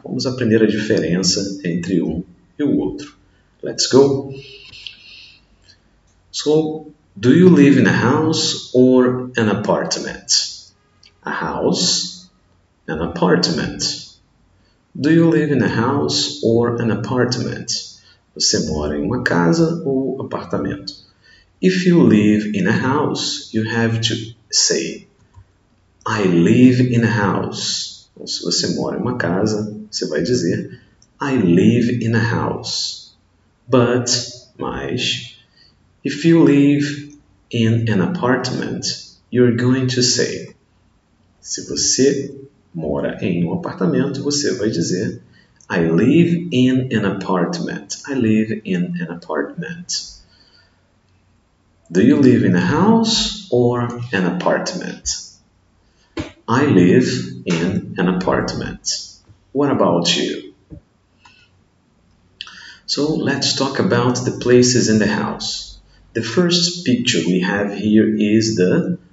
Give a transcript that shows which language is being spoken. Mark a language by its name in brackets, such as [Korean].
[Portuguese] Vamos aprender a diferença entre um e o outro. [English] Let's go. So, do you live in a house or an apartment? A house, an apartment. Do you live in a house or an apartment? [Portuguese] Você mora em uma casa ou apartamento? [English] If you live in a house, you have to say, I live in a house. [Portuguese] Então, se você mora em uma casa, você vai dizer, [English] I live in a house. But, mas, if you live in an apartment, you're going to say. [Portuguese] Se você mora em um apartamento, você vai dizer, [English] I live in an apartment. I live in an apartment. Do you live in a house or an apartment? I live in an apartment. What about you? So, let's talk about the places in the house. The first picture we have here is the...